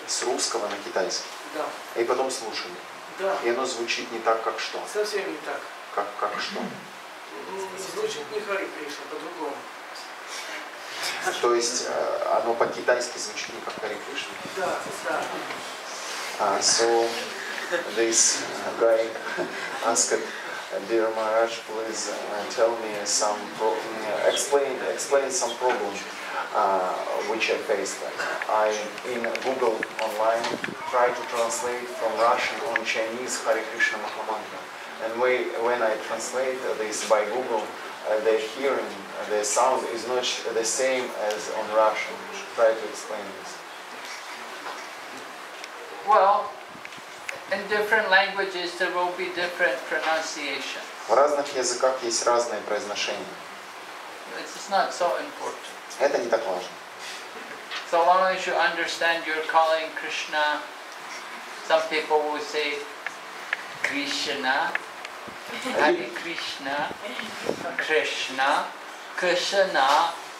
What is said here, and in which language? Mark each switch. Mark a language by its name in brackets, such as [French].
[Russian] С русского на китайский. Да. И потом слушали. Да. И оно звучит не так, как что? Совсем не так. Как что? Звучит не Харе Кришна, по-другому. То есть оно по-китайски звучит не как Харе Кришна? Да. [English] This guy asked, "Dear Maharaj, please tell me some explain some problem which I faced. I in Google online try to translate from Russian on Chinese Hare Krishna Mahamantra, and when I translate this by Google, the hearing, the sound is not the same as on Russian. Try to explain this." Well. In different languages there will be different pronunciations. [Russian] В разных языках есть разные произношения. [English] It's not so important. [Russian] Это не так важно. [English] So long as you understand you're calling Krishna, some people will say Krishna, Hare Krishna, Krishna, Krishna.